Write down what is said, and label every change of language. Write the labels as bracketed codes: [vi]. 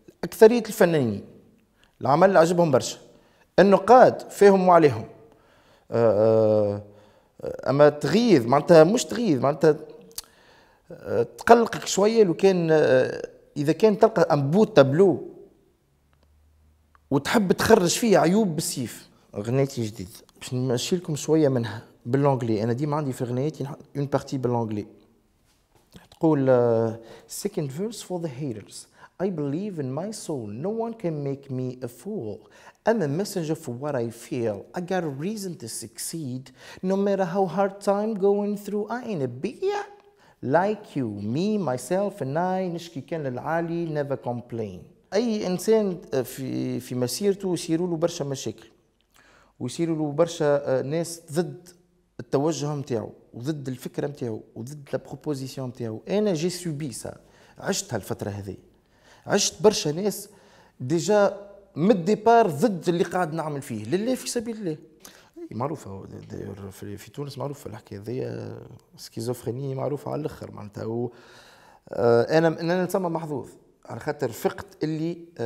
[ar] أكثرية الفنانين العمل اللي عجبهم برشا النقاد فيهم وعليهم أما تغيظ معناتها مش تغيظ معناتها تقلقك شوية لو كان إذا كان تلقى أمبوت تابلو وتحب تخرج فيه عيوب بالسيف. غنيتي جديد باش نمشي لكم شوية منها باللونجلي أنا ديما عندي في غنيتي اون بارتي باللونجلي تقول [en] second verse for the haters I believe in my soul, no one can make me a fool. I'm a messenger for what I feel. I got a reason to succeed. No matter how hard time going through, I ain't a bitch like you. Me, myself, and I, [ar] نشكي كان للعالي, [en] never complain. [ar] أي إنسان في مسيرته يصيروا له برشا مشاكل. ويصيروا له برشا ناس ضد التوجه متاعه, وضد الفكرة متاعه, وضد البروبوزيسيون متاعه. أنا جي سوبي سا, عشت هالفترة هذه. عشت برشا ناس ديجا من ديبار ضد اللي قاعد نعمل فيه لله في سبيل الله معروفة داير في تونس معروفة الحكاية هذيا سكيزوفرينية معروفة على الاخر معناتها انا نسمى محظوظ على خاطر فقت اللي